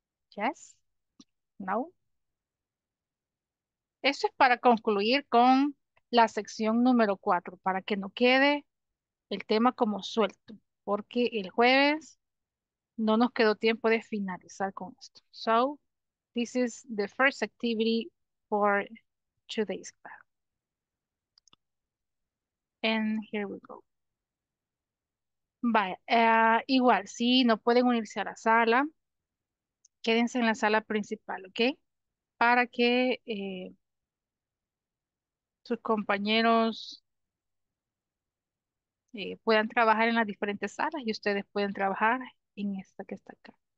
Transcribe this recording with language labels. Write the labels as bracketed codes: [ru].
[en] Yes? No? [es] Eso es para concluir con la sección número 4, para que no quede el tema como suelto, porque el jueves no nos quedó tiempo de finalizar con esto. [en] So, this is the first activity for today's class. And here we go. [es] Vaya, igual, si no pueden unirse a la sala, quédense en la sala principal, ¿ok? Para que sus compañeros puedan trabajar en las diferentes salas y ustedes pueden trabajar en esta que está acá.